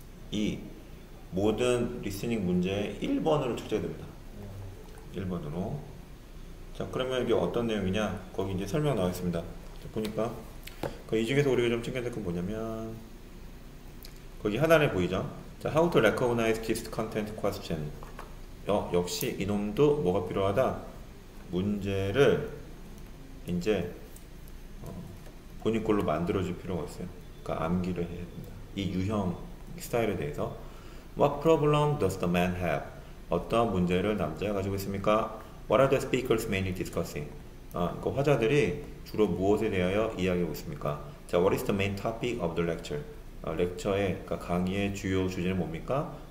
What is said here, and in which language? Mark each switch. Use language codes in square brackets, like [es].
[ko] 이 모든 리스닝 문제의 1번으로 출제됩니다. 1번으로. 자, 그러면 이게 어떤 내용이냐? 거기 이제 설명 나와 있습니다. 보니까 그이 중에서 우리가 좀 챙겨야 될건 뭐냐면, 거기 하단에 보이죠? [en] 자, How to recognize gist content question. [ko] 역시 이놈도 뭐가 필요하다? 문제를 이제 본인 걸로 만들어줄 필요가 있어요. 그러니까 암기를 해야 됩니다. 이 유형 스타일에 대해서. [en] What problem does the man have? [ko] 어떤 문제를 남자가 가지고 있습니까? [en] What are the speakers mainly discussing? [ko] 그 화자들이 주로 무엇에 대하여 이야기하고 있습니까? [en] 자, What is the main topic of the lecture? [ko] 렉처의, 그러니까 강의의 주요 주제는 뭡니까?